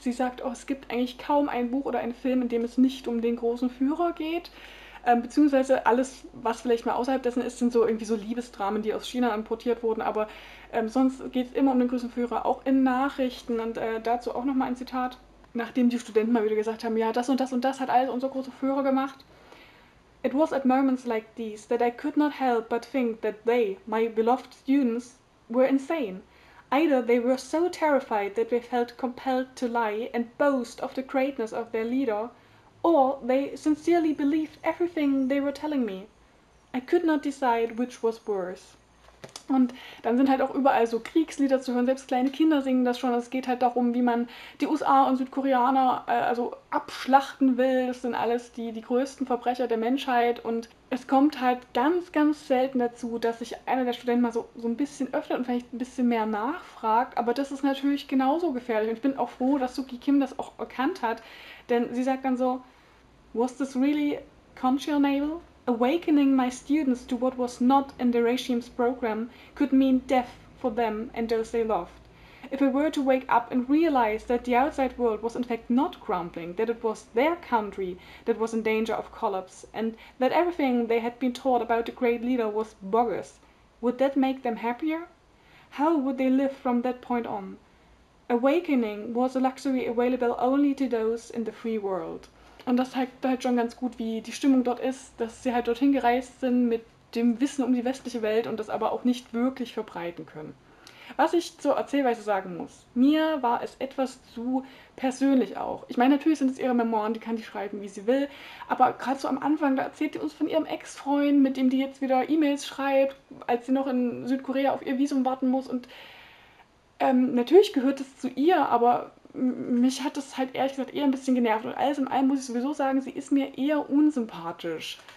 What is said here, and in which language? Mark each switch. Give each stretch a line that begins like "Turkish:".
German: Sie sagt auch, oh, es gibt eigentlich kaum ein Buch oder einen Film, in dem es nicht um den großen Führer geht. Beziehungsweise alles, was vielleicht mal außerhalb dessen ist, sind so irgendwie so Liebesdramen, die aus China importiert wurden. Aber sonst geht es immer um den großen Führer, auch in Nachrichten. Und dazu auch nochmal ein Zitat, nachdem die Studenten mal wieder gesagt haben, ja, das und das und das hat alles unser großer Führer gemacht.
English: It was at moments like these that I could not help but think that they, my beloved students, were insane. Either they were so terrified that they felt compelled to lie and boast of the greatness of their leader, or they sincerely believed everything they were telling me. I could not decide which was worse.
German: Und dann sind halt auch überall so Kriegslieder zu hören, selbst kleine Kinder singen das schon. Es geht halt darum, wie man die USA und Südkoreaner also abschlachten will. Das sind alles die größten Verbrecher der Menschheit. Und es kommt halt ganz, ganz selten dazu, dass sich einer der Studenten mal so ein bisschen öffnet und vielleicht ein bisschen mehr nachfragt. Aber das ist natürlich genauso gefährlich. Und ich bin auch froh, dass Suki Kim das auch erkannt hat. Denn sie sagt dann so,
English: was this really conscionable? Awakening my students to what was not in the regime's program could mean death for them and those they loved. If we were to wake up and realize that the outside world was in fact not crumbling, that it was their country that was in danger of collapse, and that everything they had been taught about the great leader was bogus, would that make them happier? How would they live from that point on? Awakening was a luxury available only to those in the free world.
German: Und das zeigt halt schon ganz gut, wie die Stimmung dort ist, dass sie halt dorthin gereist sind mit dem Wissen um die westliche Welt und das aber auch nicht wirklich verbreiten können. Was ich zur Erzählweise sagen muss, mir war es etwas zu persönlich auch. Ich meine, natürlich sind es ihre Memoiren, die kann die schreiben, wie sie will, aber gerade so am Anfang, da erzählt sie uns von ihrem Ex-Freund, mit dem die jetzt wieder E-Mails schreibt, als sie noch in Südkorea auf ihr Visum warten muss und natürlich gehört es zu ihr, aber mich hat das halt ehrlich gesagt eher ein bisschen genervt und alles in allem muss ich sowieso sagen, sie ist mir eher unsympathisch.